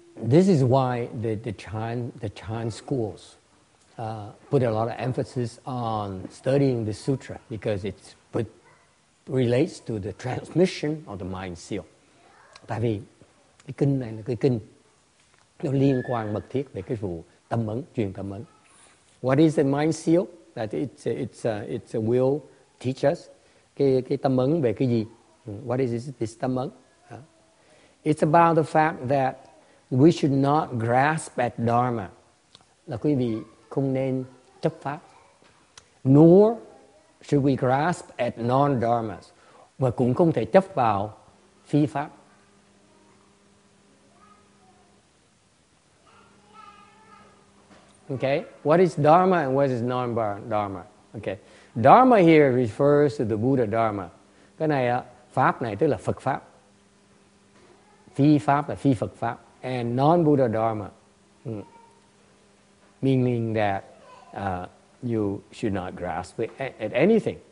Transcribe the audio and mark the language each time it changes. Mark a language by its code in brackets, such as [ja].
[en] This is why the Chan schools put a lot of emphasis on studying the sutra, because it relates to the transmission of the mind seal. [vi] Tại vì cái kinh này là cái kinh nó liên quan mật thiết về cái vụ tâm ấn, truyền tâm ấn. [en] What is the mind seal? That it's a will teach us [vi] cái tâm ấn về cái gì? [en] What is this tâm ấn? It's about the fact that we should not grasp at dharma. [vi] Là quý vị không nên chấp pháp. [en] Nor should we grasp at non-dharmas. [vi] Mà cũng không thể chấp vào phi pháp. [en] Okay, what is dharma and what is non-dharma? Okay, dharma here refers to the Buddha dharma. [vi] Cái này, pháp này tức là Phật pháp. Phi pháp là phi Phật pháp. [en] And non-Buddha dharma, meaning that you should not grasp at anything.